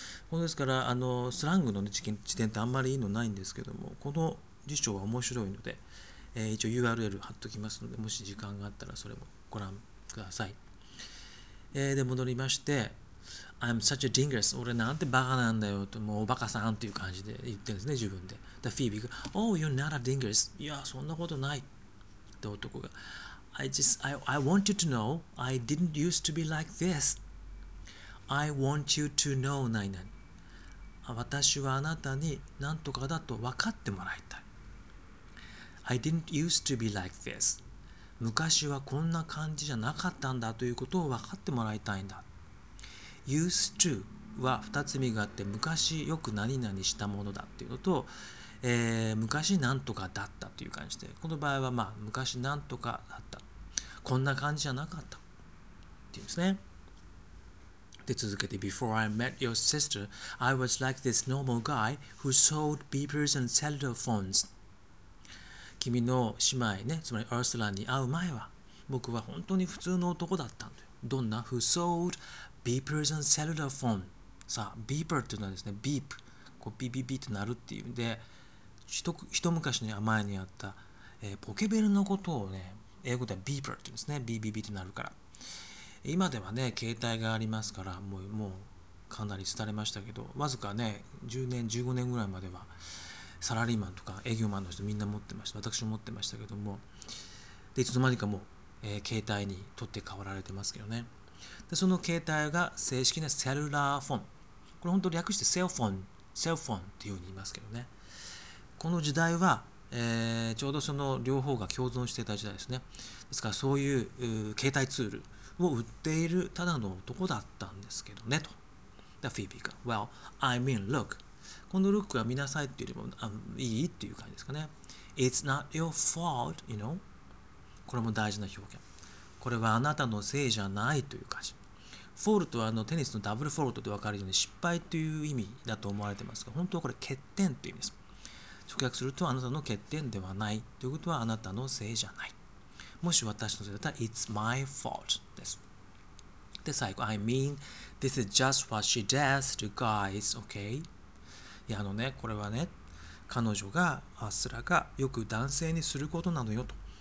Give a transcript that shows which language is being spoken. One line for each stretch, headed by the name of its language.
Japanese: ですからスラングの、ね、辞典ってあんまりいいのないんですけども、この辞書は面白いので、一応 URL 貼っときますので、もし時間があったらそれもご覧ください。で戻りまして、
English: I'm such a dingus、
Japanese: 俺なんてバカなんだよと、もうおバカさんという感じで言ってるんですね、自分で。でフィービーが
English: Oh, you're not a dingus。
Japanese: いやそんなことないって。男が
English: I want you to know I didn't used to be like this. I want you to know
Japanese: 何々。私はあなたに何とかだと分かってもらいたい。
English: I didn't used to be like this.
Japanese: 昔はこんな感じじゃなかったんだということを分かってもらいたいんだ。 used to は二つ意味があって、昔よく何々したものだっていうのと、昔なんとかだったという感じで、この場合はまあ昔なんとかだった、こんな感じじゃなかったっていうんですね。で続けて、
English: Before I met your sister, I was like this normal guy who sold beepers and cell phones.
Japanese: 君の姉妹ね、つまりアーサラに会う前は、僕は本当に普通の男だったんだよ。どんな
English: ?Who sold beepers and cell phones?
Japanese: さあ、beeper っていうのはですね、beep、こうビビビって鳴るっていうんで、一昔の前にあった、ポケベルのことをね、英語では beeper って言うんですね、ビビビって鳴るから。今ではね、携帯がありますから、もうかなり廃れましたけど、わずかね、10年、15年ぐらいまでは、サラリーマンとか営業マンの人みんな持ってました。私も持ってましたけども、で、いつの間にかもう、携帯に取って代わられてますけどね。で、その携帯が正式なセルラーフォン。これ本当略してセルフォン、セルフォンっていうふうに言いますけどね。この時代は、ちょうどその両方が共存していた時代ですね。ですから、そういう携帯ツール、を売っているただの男だったんですけどねと。で、フィービーが、
English: Well, I mean, look.
Japanese: このルックは見なさいっていうよりもいいっていう感じですかね。
English: It's not your fault, you know.
Japanese: これも大事な表現。これはあなたのせいじゃないという感じ。フォールトはテニスのダブルフォールトで分かるように失敗という意味だと思われてますが、本当はこれ欠点という意味です。直訳するとあなたの欠点ではないということはあなたのせいじゃない。もし私のせいだったら
English: It's my fault
Japanese: です。で、最後
English: I mean, this is just what she does to guys, okay?
Japanese: いや、これはね、彼女が、アスラがよく男性にすることなのよと。